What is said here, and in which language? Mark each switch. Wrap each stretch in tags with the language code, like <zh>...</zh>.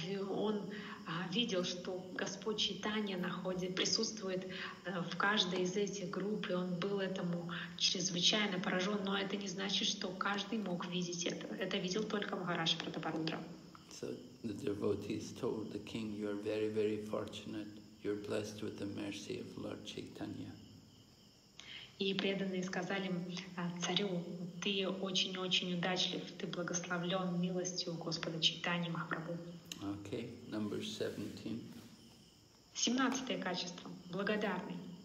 <ru>Он видел, что Господь Чайтанья присутствует в каждой из этих групп, и он был этому чрезвычайно поражен. Но это не значит, что каждый мог видеть это. Это видел только Махарадж Пратапарудра.</ru> <en>So the devotees told the king, you are very, very fortunate. You are blessed with the mercy of Lord Chaitanya.</en> <ru>И преданные сказали царю, ты очень-очень удачлив, ты благословлен милостью Господа Чайтаньи Махапрабху.</ru> <en>Okay, number 17.</en> <ru>17 качество. Благодарный.</ru>